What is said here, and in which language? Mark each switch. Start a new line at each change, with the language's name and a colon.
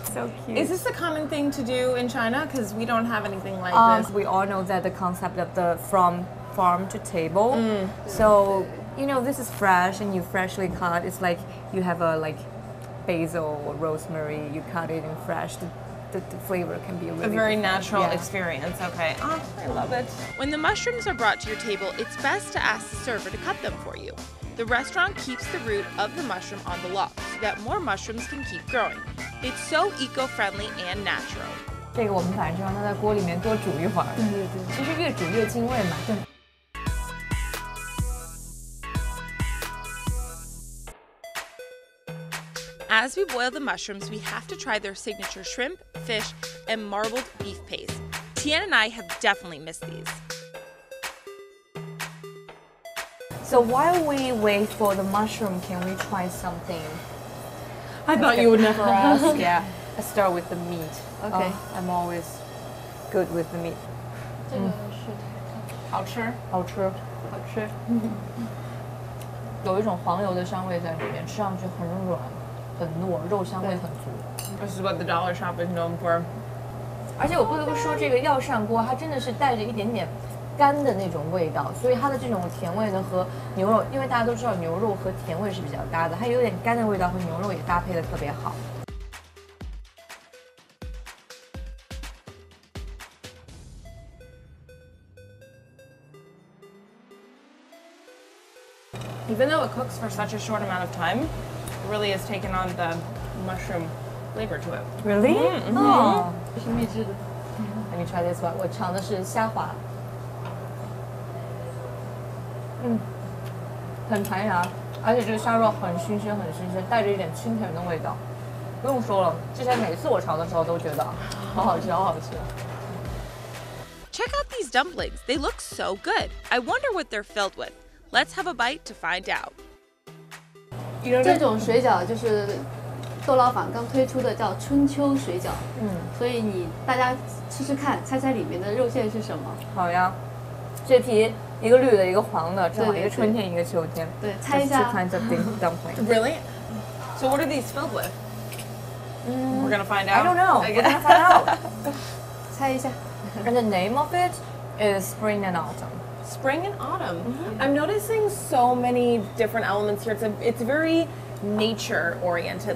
English: So cute. Is this a common thing to do in China? Because we don't have anything like this. We all know that the concept of the from farm to table. So. You know, this is fresh and you freshly cut. It's like you have a basil or rosemary. You cut it in fresh. The flavor can be really a very natural experience. Okay. Oh, I love it. When the mushrooms are brought to your table, it's best to ask the server to cut them for you. The restaurant keeps the root of the mushroom on the lock so that more mushrooms can keep growing. It's so eco-friendly and natural.
Chinese: 这个我们反正就让它在锅里面多煮一会儿。对对对。其实越煮越精味嘛。对。
English: As we boil the mushrooms, we have to try their signature shrimp, fish, and marbled beef paste. Tian and I have definitely missed these. So while we wait for the mushroom, can we try something? I thought you would never ask. Yeah. Let's start with the meat. Okay. I'm always good with the meat.
Chinese: 好吃。有一种黄油的香味在里面，吃上去很软。很糯，肉香味很足。
English: This is what the Dollar Shop is known for.
Chinese: 而且我不得不说，这个药膳锅它真的是带着一点点干的那种味道，所以它的这种甜味呢和牛肉，因为大家都知道牛肉和甜味是比较搭的，它有点干的味道和牛肉也搭配的特别好。
English: Even though it cooks for such a short amount of time. Really has taken on the mushroom flavor to it. Really? Mm-hmm. Oh. Let me try this one.
Chinese: 我尝的是虾滑。嗯，很弹牙，而且这个虾肉很新鲜，很新鲜，带着一点清甜的味道。不用说了，之前每次我尝的时候都觉得好好吃，好好吃。
English: Check out these dumplings. They look so good. I wonder what they're filled with. Let's have a bite to find out.
Chinese: 这种水饺就是豆老坊刚推出的叫春秋水饺，所以你大家吃吃看，猜猜里面的肉馅是什么？好呀，这皮一个绿的，一个黄的，正好一个春天，一个秋天。对，猜一下。
English: Two kinds of dumpling. Really? So what are these filled with? We're gonna find out. I don't know. We're gonna find out.
Chinese: 猜一下。
English: And the name of it is spring and autumn. Spring and autumn. Mm-hmm. I'm noticing so many different elements here. It's very nature oriented.